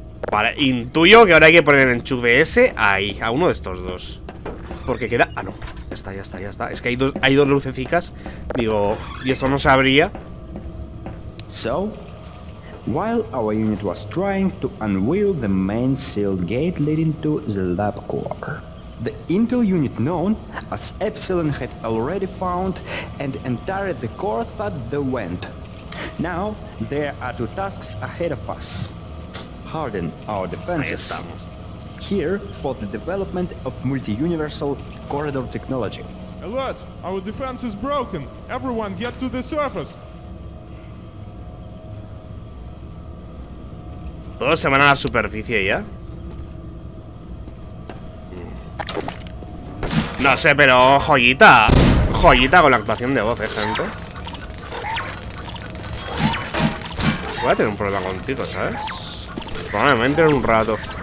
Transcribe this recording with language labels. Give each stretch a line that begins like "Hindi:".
Spanish: Vale, intuyo que ahora hay que poner el enchufe ese ahí, a uno de estos dos. Porque queda... Ah, no. Ya está. Es que hay dos lucecicas. Digo, y esto no se abría.
English: So, while our unit was trying to unveil the main sealed gate leading to the lab core, the Intel unit known as Epsilon had already found and entered the core that they went. Now, there are two tasks ahead of us. Harden our defenses here for the development of multi-universal corridor technology. Alert! Our defense is broken! Everyone get to the surface!
Spanish: ¿Todos se van a la superficie ya? No sé, pero joyita. Joyita con la actuación de voz, gente. Voy a tener un problema contigo, ¿sabes? Probablemente en un rato.